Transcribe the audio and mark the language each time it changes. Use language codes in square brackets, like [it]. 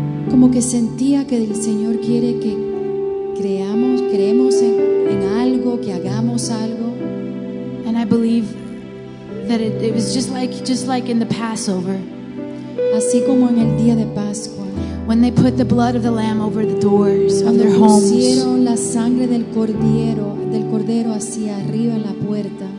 [es] Como que sentía que el Señor quiere que creamos, creemos en algo, que hagamos algo. [en] And I believe that it was just like in the Passover. [es] Así como en el día de Pascua. [en] When they put the blood of the lamb over the doors of their homes. [es] Pusieron la sangre del cordero hacia arriba en la puerta.